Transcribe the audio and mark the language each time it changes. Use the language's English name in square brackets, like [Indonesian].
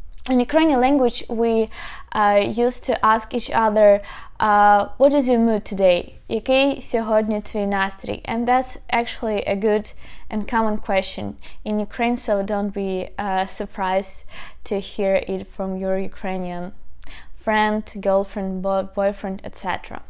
[English] In Ukrainian language, we used to ask each other, what is your mood today? [Ukrainian] Який сьогодні твій настрій? [English] And that's actually a good and common question in Ukraine, so don't be surprised to hear it from your Ukrainian friend, girlfriend, boyfriend, etc.